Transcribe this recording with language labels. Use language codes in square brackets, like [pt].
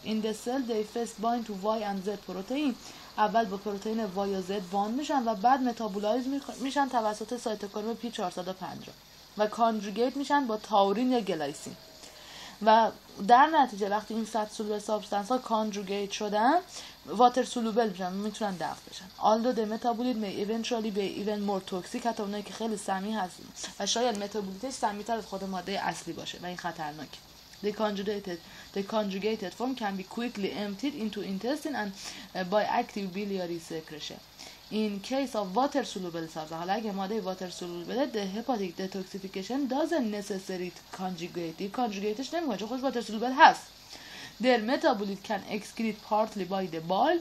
[en] in the cell they first bind to Y and Z protein, [fa] اول با پروتئین وای و زد باند میشن و بعد متابولایز میشن توسط سایتوکروم P450 و کانجوگیت میشن با تاورین یا گلایسین، و در نتیجه وقتی این فت سولوبل سابستنس ها کانجوگیت شدن واتر سولوبل میشن، میتونن دفع بشن. [en] although the metabolite may eventually be even more toxic, [fa] حتی اونایی که خیلی سمی هستن و شاید متابولیتش سمی تر از خود ماده اصلی باشه و این خطرناکه. [en] The conjugated form can be quickly emptied into intestine and by active biliary secretion. In case of water soluble substance, [fa] حالا اگه ماده [en] water soluble، the hepatic detoxification doesn't necessary conjugate. [fa] Conjugateش نمیکنه چون خودش water soluble هست. [en] Their metabolite can excrete partly by the bile.